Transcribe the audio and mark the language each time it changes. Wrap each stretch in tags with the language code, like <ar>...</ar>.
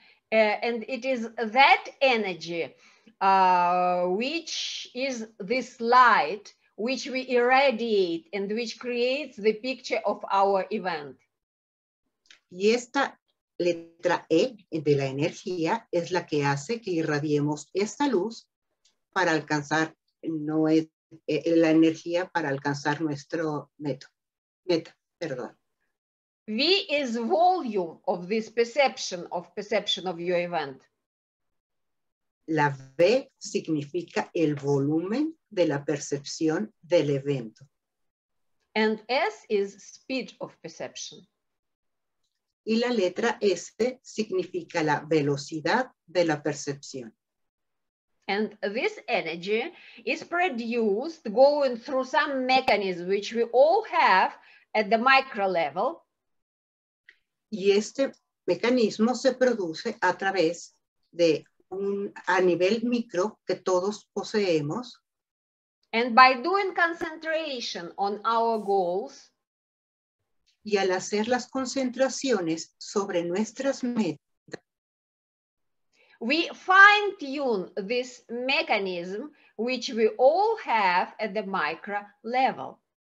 <en>And it is that energy which is this light which we irradiate and which creates the picture of our event.</en> <es>Y esta letra E de la energía es la que hace que irradiemos esta luz para alcanzar no es la energía para alcanzar nuestro meta.</es> <en>V is volume of this perception of your event.</en> <es>La V significa el volumen de la percepción del evento.</es> <en>And S is speed of perception.</en> <es>Y la letra S significa la velocidad de la percepción.</es> <en>And this energy is produced going through some mechanism which we all have at the micro level.</en> <es>Y este mecanismo se produce a través de a nivel micro que todos poseemos.</es> <en>And by doing concentration on our goals.</en> <es>Y al hacer las concentraciones sobre nuestras metas.</es> <en>We fine-tune this mechanism which we all have at the micro level.</en>